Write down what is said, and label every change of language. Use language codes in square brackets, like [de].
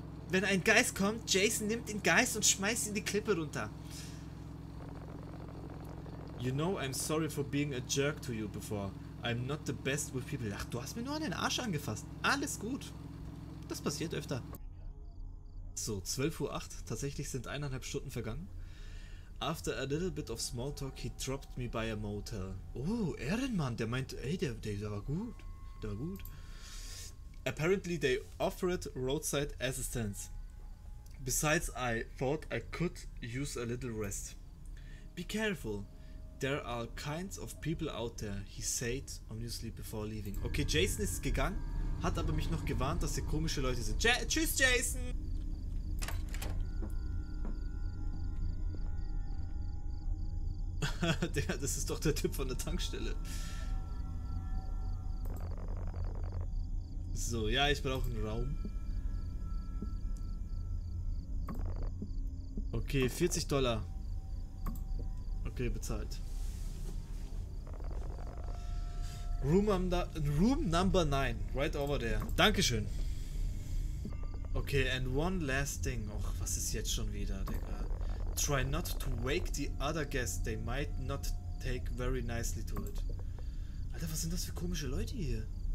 [de] Wenn ein Geist kommt, Jason nimmt den Geist und schmeißt ihn die Klippe runter. [en] You know I'm sorry for being a jerk to you before. I'm not the best with people. [de] Ach, du hast mir nur an den Arsch angefasst. Alles gut. Das passiert öfter. So, 12.08 Uhr. Tatsächlich sind 1,5 Stunden vergangen. [en] After a little bit of small talk, he dropped me by a motel. [de] Oh, Ehrenmann. Der meint, ey, der war gut. Der war gut. [en] Apparently they offered roadside assistance. Besides, I thought I could use a little rest. Be careful. There are kinds of people out there, he said ominously before leaving. [de] Okay, Jason ist gegangen, hat aber mich noch gewarnt, dass hier komische Leute sind. Tschüss, Jason! Das ist doch der Typ von der Tankstelle. So, ja, ich brauche einen Raum. Okay, $40. Okay, bezahlt. [en] Room number 9, right over there. [de] Dankeschön. Okay, [en] and one last thing. [de] Och, was ist jetzt schon wieder, Digga? [en] Try not to wake the other guests. They might not take very nicely to it. [de] Alter, was sind das für komische Leute hier?